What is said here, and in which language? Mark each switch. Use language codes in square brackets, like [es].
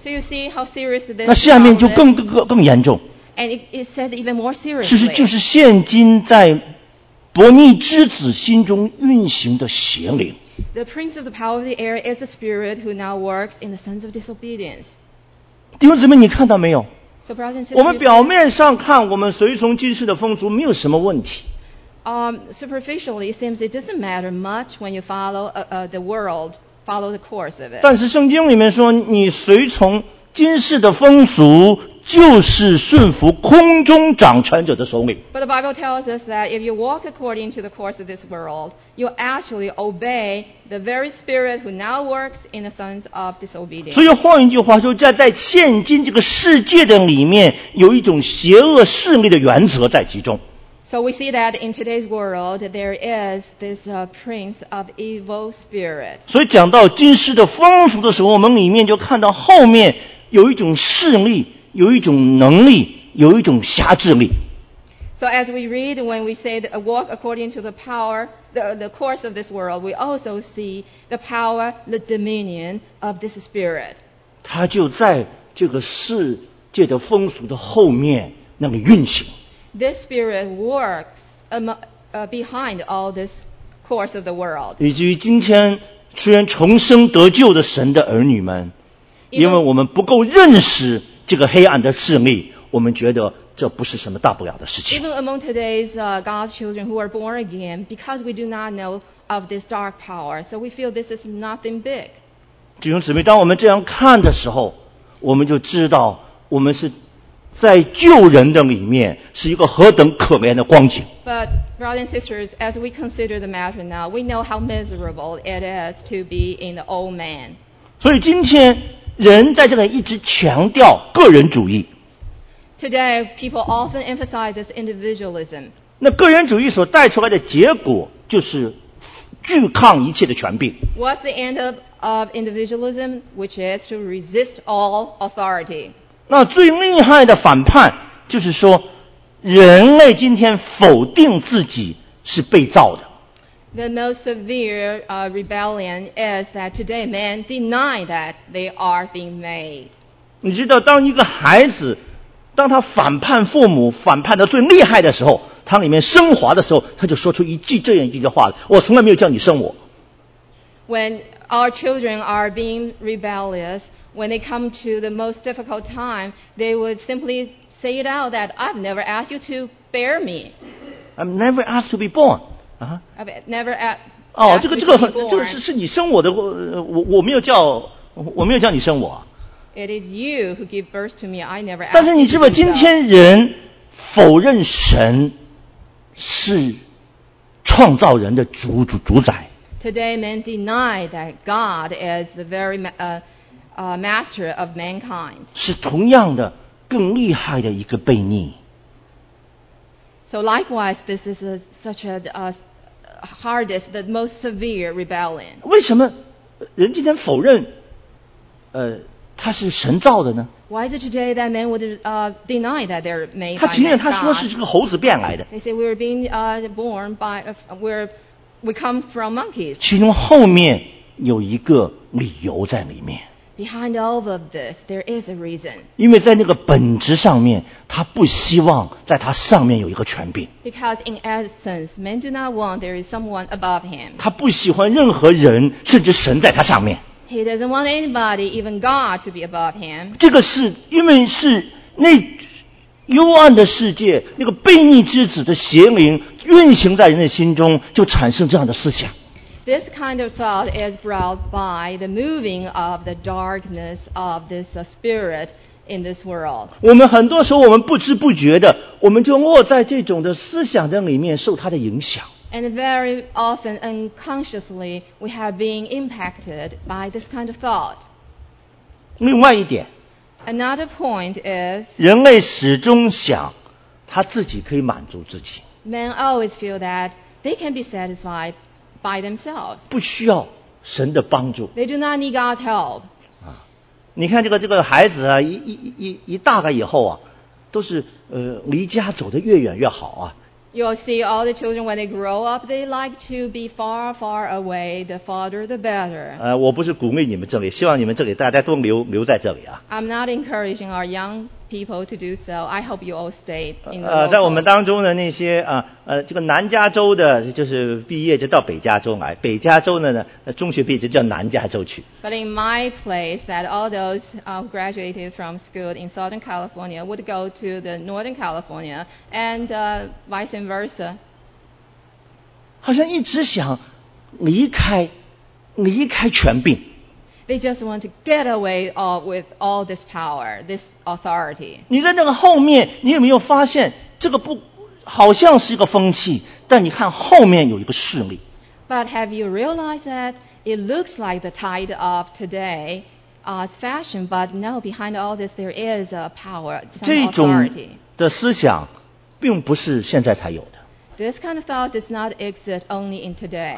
[en] So you see how serious this is. [zh] 那下面就更严重。 [en] And it says even more seriously. [zh] 其实就是现今在伯尼之子心中运行的邪灵。 [en] The prince of the power of the air is the spirit who now works in the sons of disobedience. [zh] 弟兄姊妹，你看到没有？ [en] So brothers and sisters, [zh] 我们表面上看，我们随从今世的风俗没有什么问题。 [en] Superficially, it seems it doesn't matter much when you follow the world, follow the course of it. [zh] 但是圣经里面说，你随从今世的风俗，就是顺服空中掌权者的首领。 [en] But the Bible tells us that if you walk according to the course of this world, you actually obey the very spirit who now works in the sons of disobedience. [zh] 所以换一句话说，在现今这个世界的里面，有一种邪恶势力的原则在其中。 [en] So we see that in today's world, there is this prince of evil spirit. [zh] 所以讲到今世的风俗的时候，我们里面就看到后面有一种势力，有一种能力，有一种辖制力。 [en] So as we read, when we say that walk according to the power, the course of this world, we also see the power, the dominion of this spirit. [zh] 它就在这个世界的风俗的后面那里运行。 [en] This spirit works behind all this course of the world. [zh] 以至于今天虽然重生得救的神的儿女们，因为我们不够认识这个黑暗的势力，我们觉得这不是什么大不了的事情。 [en] Even among today's God's children who are born again, because we do not know of this dark power, so we feel this is nothing big. [zh] 弟兄姊妹，当我们这样看的时候，我们就知道我们是在救人的里面是一个何等可怜的光景。 [en] But brothers and sisters, as we consider the matter now, we know how miserable it is to be in the old man. [zh] 所以今天人在这里一直强调个人主义。 [en] Today, people often emphasize this individualism. [zh] 那个人主义所带出来的结果就是拒抗一切的权柄。 [en] What's the end of individualism, which is to resist all authority? [zh] 那最厉害的反叛就是说，人类今天否定自己是被造的。 [en] The most severe rebellion is that today men deny that they are being made. [zh] 你知道，当一个孩子，当他反叛父母，反叛的最厉害的时候，他里面升华的时候，他就说出一句这样一句话：我从来没有叫你生我。 [en] When our children are being rebellious,When they come to the most difficult time, they would simply say it out that I've never asked you to bear me. I've never asked to be born. I've never asked. [zh] 哦，这个很，就是你生我的，我没有叫你生我。 [en] It is you who give birth to me. I never asked. [zh] 但是你知道，今天人否认神是创造人的主宰。 [en] Today, men deny that God is the very master of mankind. [zh] 是同样的更厉害的一个悖逆。 [en] So likewise, this is such a hardest, the most severe rebellion. [zh] 为什么人今天否认他是神造的呢？ [en] Why is it today that men would deny that they're made by mankind? [zh] 他情愿他说是这个猴子变来的。 [en] They say we're being born by, we come from monkeys. [zh] 其中后面有一个理由在里面。 [en] Behind all of this, there is a reason. [zh] 因为在那个本质上面，他不希望在他上面有一个权柄。 [en] Because in essence, men do not want there is someone above him. [zh] 他不喜欢任何人，甚至神在他上面。 [en] He doesn't want anybody, even God, to be above him. [zh] 这个是因为是那幽暗的世界，那个悖逆之子的邪灵运行在人的心中，就产生这样的思想。 [en] This kind of thought is brought by the moving of the darkness of this spirit in this world. [zh] 我们很多时候我们不知不觉的，我们就落在这种的思想的里面，受它的影响。 [en] And very often, unconsciously, we have been impacted by this kind of thought. [zh] 另外一点， [en] Another point is, [zh] 人类始终想他自己可以满足自己。 [en] Men always feel that they can be satisfied by themselves. [zh] 不需要神的帮助。 [en] They do not need God's help. [zh] 啊，你看这个孩子啊，一大了以后啊，都是离家走得越远越好啊。 [en] You'll see all the children when they grow up, they like to be far, far away, the farther the better. [zh] 我不是鼓励你们这里，希望你们这里大家都留在这里啊。 [en] I'm not encouraging our young people to do so. I hope you all stay in the local. [zh] 在我们当中的那些这个南加州的，就是毕业就到北加州来，北加州的呢，中学毕业就叫南加州去。 [en] But in my place, that all those who graduated from school in Southern California would go to the Northern California and vice versa. [zh] 好像一直想离开权柄。 [en] They just want to get away with all this power, this authority. [zh] 你在那个后面，你有没有发现这个不好像是一个风气，但你看后面有一个势力。 [en] But have you realized that it looks like the tide of today is fashion, but no, behind all this there is a power, some authority. [zh] 这种的思想并不是现在才有的。 [en] This kind of thought does not exist only in today.